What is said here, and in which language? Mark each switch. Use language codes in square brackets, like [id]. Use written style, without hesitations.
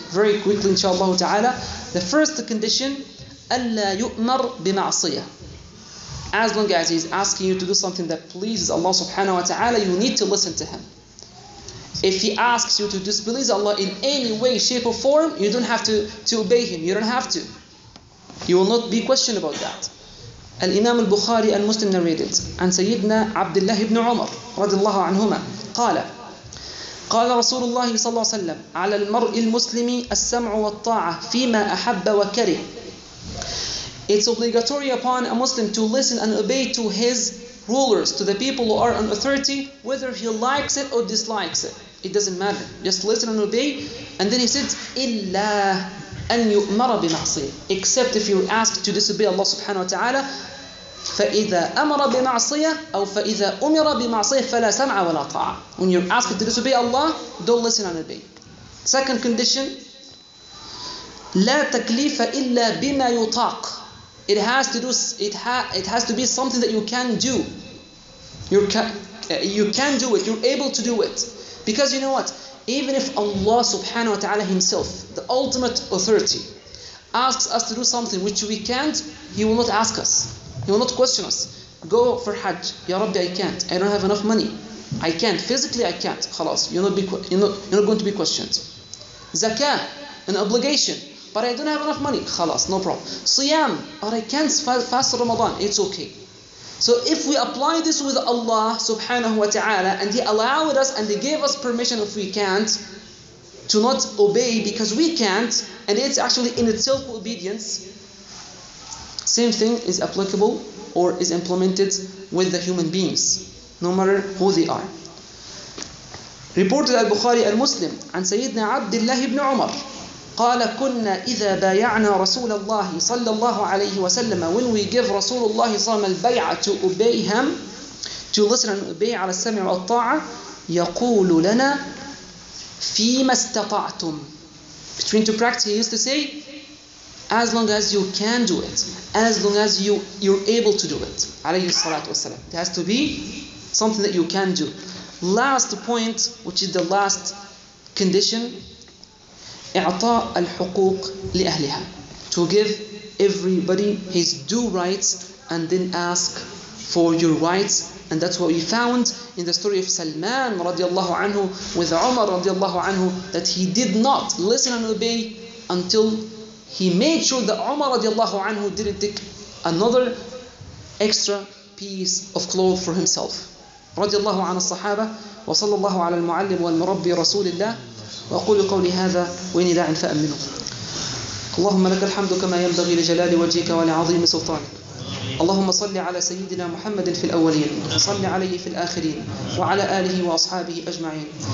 [en] Very quickly, inshallah ta'ala. The first condition, [ar] أَلَّا يُؤْمَرْ بِمَعْصِيَةٍ. [en] As long as he's asking you to do something that pleases Allah subhanahu wa ta'ala, you need to listen to him. If he asks you to displease Allah in any way, shape or form, you don't have to obey him. You don't have to. You will not be questioned about that. Al-Imam al-Bukhari al-Muslim narrated, and Sayyidina Abdullah ibn Umar radiallahu anhuma, [ar] قال رسول الله صلى الله عليه وسلم على المرء المسلم السمع والطاعة فيما أحب وكره. [en] It's obligatory upon a Muslim to listen and obey to his rulers, to the people who are in authority, whether he likes it or dislikes it. It doesn't matter. Just listen and obey. And then he said, [ar] إِلَّا أَن يُؤْمَرَ بِمَعْصِيَةٍ. [en] Except if you're asked to disobey Allah subhanahu wa ta'ala, [ar] فَإِذَا أَمَرَ بِمَعْصِيَةٍ أَوْ فَإِذَا أُمِرَ بِمَعْصِيَةٍ فَلَا سَمْعَ وَلَا طَاعَةٍ. [en] When you're asked to disobey Allah, don't listen and obey. Second condition, [ar] لَا تَكْلِيفَ إِلَّا بِمَا يُطَاق. [en] It has to do. It has to be something that you can do. You can do it. You're able to do it. Because you know what? Even if Allah subhanahu wa ta'ala himself, the ultimate authority, asks us to do something which we can't, he will not ask us. He will not question us. Go for Hajj. Ya Rabbi, I can't. I don't have enough money. I can't. Physically, I can't. Khalas. You're not going to be questioned. Zakah, an obligation. But I don't have enough money. Khalas, no problem. Siyam, but I can't fast Ramadan. It's okay. So if we apply this with Allah subhanahu wa ta'ala, and he allowed us and he gave us permission, if we can't, to not obey because we can't, and it's actually in itself obedience, same thing is applicable or is implemented with the human beings, no matter who they are. Reported al-Bukhari al-Muslim [ar] عن سيدنا عبد الله بن عمر قال كنا إذا بايعنا رسول الله صلى الله عليه وسلم. [en] When we give [ar] رسول الله صلى الله عليه وسلم البيعة, [en] to obey him, to listen and obey [ar] على السمع والطاعة, يقول لنا فيما استطعتم. [en] Between two practices, he used to say, as long as you can do it, as long as you're able to do it, [ar] عليه الصلاة والسلام. [en] It has to be something that you can do. Last point, which is the last condition, [ar] إعطاء الحقوق لأهلها. [en] To give everybody his due rights and then ask for your rights. And that's what we found in the story of Salman [ar] رضي الله عنه [en] with Umar رضي الله عنه, that he did not listen and obey until he made sure that Umar رضي الله عنه didn't take another extra piece of cloth for himself. [ar] رضي الله عن الصحابة وصلى الله على المعلم والمربي رسول الله. وأقول قولي هذا وإني داع فأمنه. اللهم لك الحمد كما ينبغي لجلال وجهك ولعظيم سلطانك. اللهم صل على سيدنا محمد في الأولين وصل عليه في الآخرين وعلى آله وأصحابه أجمعين.